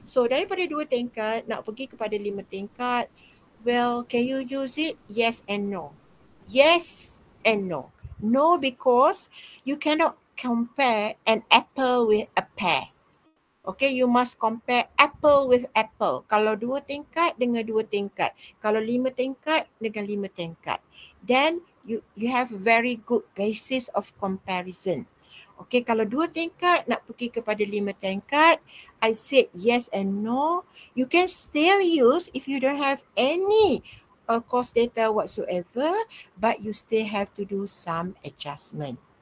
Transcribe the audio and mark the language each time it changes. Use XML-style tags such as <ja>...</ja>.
<ms>So daripada 2 tingkat nak pergi kepada 5 tingkat.</ms> <en>Well, can you use it? Yes and no. Yes and no. No, because you cannot compare an apple with a pear. Okay, you must compare apple with apple.</en> <ms>Kalau 2 tingkat dengan 2 tingkat. Kalau 5 tingkat dengan 5 tingkat.</ms> <en>Then you have very good basis of comparison.</en> <ms>Okay, kalau 2 tingkat nak pergi kepada 5 tingkat,</ms> <en>I said yes and no. You can still use if you don't have any cost data whatsoever, but you still have to do some adjustment.</en>